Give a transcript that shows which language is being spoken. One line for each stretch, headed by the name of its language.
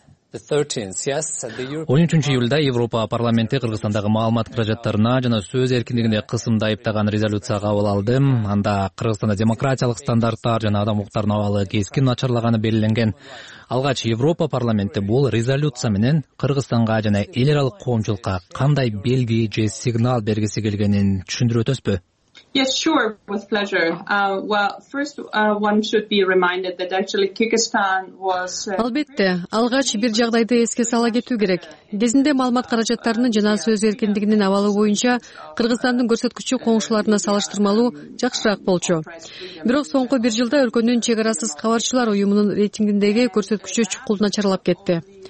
Kyrgyz: 13-нчи июлда Европа парламенти Кыргызстандагы маалымат каражаттарына жана сөз эркиндигине кысымды айыптаган резолюцияга кабыл алды. Анда Кыргызстанда демократиялык стандарттар жана адам укуктарынын абалы кескин начарлаганы белгиленген. Алгач Европа парламенти бул резолюция менен Кыргызстанга жана эл аралык коомчулукка кандай белги же сигнал бергиси келгенин түшүндүрүп өтөсүзбү?
English: Yes, sure, with pleasure. One should be reminded that actually Kyrgyzstan was...
Kyrgyz: Албетте, алгач бир жагдайды эске сала кетүү керек. Кезинде маалымат каражаттарынын жана сөз эркиндигинин абалы боюнча Кыргызстандын көрсөткүчү коңшуларына салыштырмалуу жакшыраак болчу. Бирок соңку бир жылда өлкөнүн чек арасыз кабарчылар уюмунун рейтингиндеги көрсөткүчү чукул начарлап кетти.